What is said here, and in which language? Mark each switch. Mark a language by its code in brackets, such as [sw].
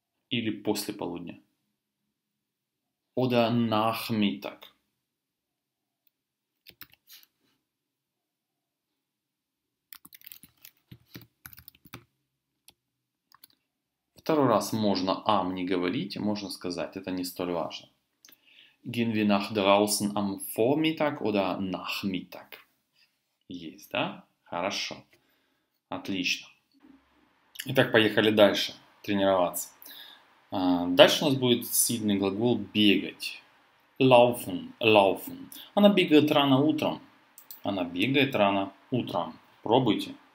[ru] Или после полудня? [de] Oder Nachmittag. [ru] Второй раз можно am не говорить, можно сказать, это не столь важно. [de] Gehen wir nach draußen am Vormittag oder Nachmittag? [ru] Есть, да? Хорошо. Отлично. Итак, поехали дальше тренироваться. Дальше у нас будет сильный глагол бегать. [de] Laufen, laufen. [ru] Она бегает рано утром. Она бегает рано утром. Пробуйте.